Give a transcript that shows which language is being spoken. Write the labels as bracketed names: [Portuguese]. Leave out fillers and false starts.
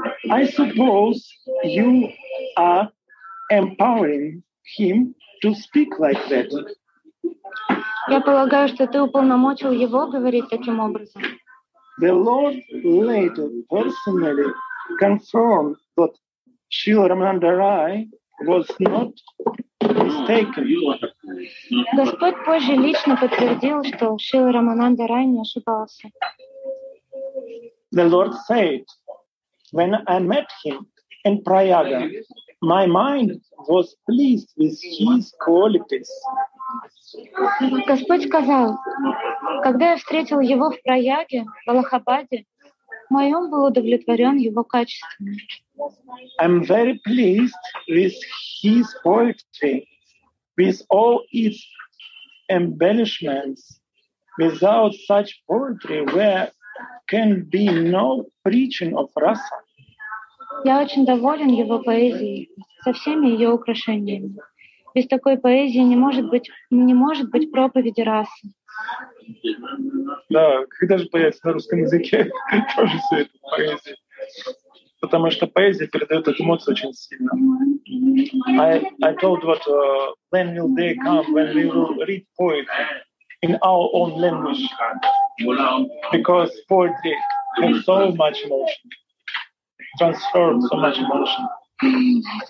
[English] I suppose you are empowering him to speak like that. [Russian] Я полагаю, что ты уполномочил его говорить таким образом. [English] The Lord later personally confirmed that Srila Рамананда Рай was not mistaken. [Russian] Господь позже лично подтвердил, что Шрила Рамананда Рай не ошибался. [English] The Lord said, when I met him in Prayaga, my mind was pleased with his qualities. [Russian] Господь сказал, когда я встретил его в Праяге, в Аллахабаде, мой ум был удовлетворен его качествами. [English] I'm very pleased with his poetry, with all its embellishments. Without such poetry, there can be no preaching of rasa. [Russian] Я очень доволен его поэзией, со всеми ее украшениями. Без такой поэзии не может быть проповеди расы. Да, когда же появится на русском языке тоже все это поэзия. Потому что поэзия передает эту эмоцию очень сильно. [English] I told what when will day come when we will read poetry in our own language. Because poetry has so much emotion. Transformed so much emotion.